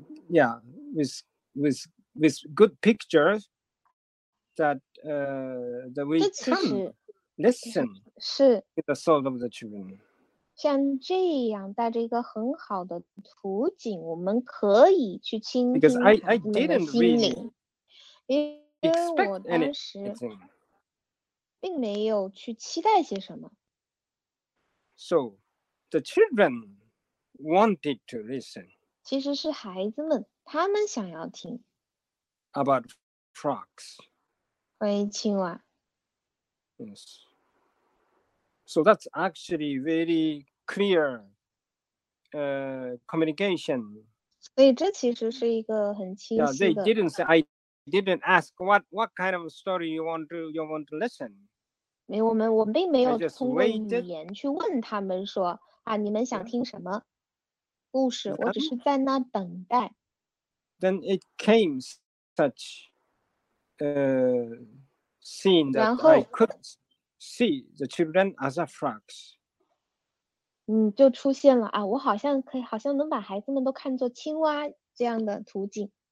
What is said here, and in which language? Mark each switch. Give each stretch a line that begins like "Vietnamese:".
English: Yeah, with good pictures that that we can listen to the soul of the children.
Chinese: 像这样带着一个很好的图景，我们可以去倾听你的心灵。因为我当时并没有去期待些什么。
English: So, the children wanted to listen.
Chinese: 其实是孩子们，他们想要听。
English: About frogs.
Chinese: 关于青蛙。
English: Yes. So that's actually very clear communication.
Chinese: 所以这其实是一个很清晰的。
English: Yeah, they didn't say, I didn't ask what kind of story you want to listen.
Chinese: 我并没有通过语言去问他们说啊，你们想听什么故事？我只是在那等待。
English: Then it came such scene that I could see the children as a frogs.
Chinese: 就出现了啊，我好像能把孩子们都看作青蛙这样的图景。